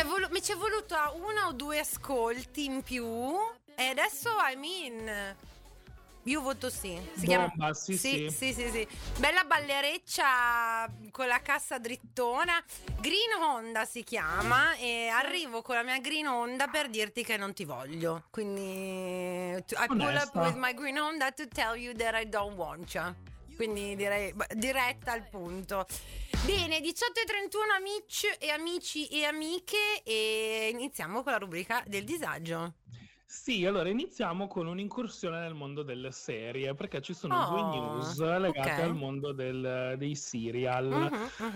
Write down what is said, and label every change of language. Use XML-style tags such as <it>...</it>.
<it>Mi c'è voluto uno o due ascolti in più e adesso</it> <en>I'm in.</en> <it>Io voto sì. Sì. Bella ballereccia con la cassa drittona. Green Honda si chiama. E arrivo con la mia Green Honda per dirti che non ti voglio. Quindi</it> <en>I pull up with my Green Honda to tell you that I don't want you.</en> <it>Quindi direi diretta al punto. Bene, 18:31 amici e amiche, e iniziamo con la rubrica del disagio. Sì, allora iniziamo con un'incursione nel mondo delle serie, perché ci sono due news legate al mondo dei serial.</it>